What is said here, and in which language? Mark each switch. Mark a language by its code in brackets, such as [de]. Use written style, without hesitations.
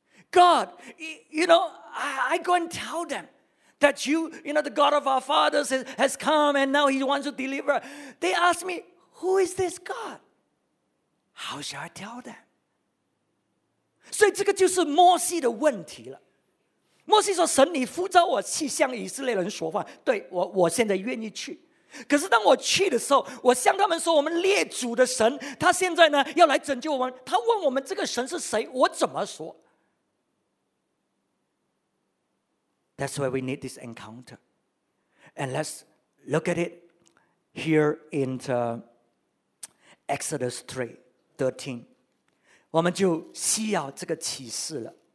[en] God, you know, I go and tell them that you know, the God of our fathers has come and now he wants to deliver. They ask me, who is this God? How shall I tell them? [zh] 所以这个就是摩西的问题了。摩西说，神你呼召我去向以色列人说话，对， 我现在愿意去，可是当我去的时候，我向他们说，我们列祖的神他现在呢要来拯救我们，他问我们这个神是谁，我怎么说？ [en] That's why we need this encounter. And let's look at it here in Exodus 3:13. [zh] 我们就需要这个启示了。